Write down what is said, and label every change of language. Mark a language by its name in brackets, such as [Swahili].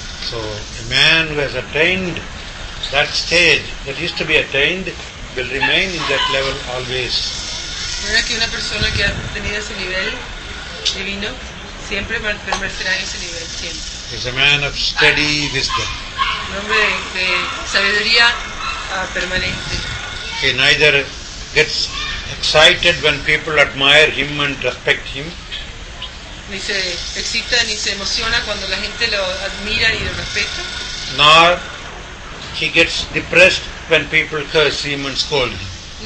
[English] So a man who has attained that stage that is to be attained will remain in that level always. [Spanish] Mira que una persona que ha tenido ese nivel divino siempre permanecerá en ese nivel siempre. [English] Is a man of steady wisdom. [Spanish] Un hombre de sabiduría permanente. [English] He neither gets excited when people admire him and respect him. [Spanish] Ni se excita ni se emociona cuando la gente lo admira y lo respeta. [English] Nor he gets depressed when people curse him and scold him.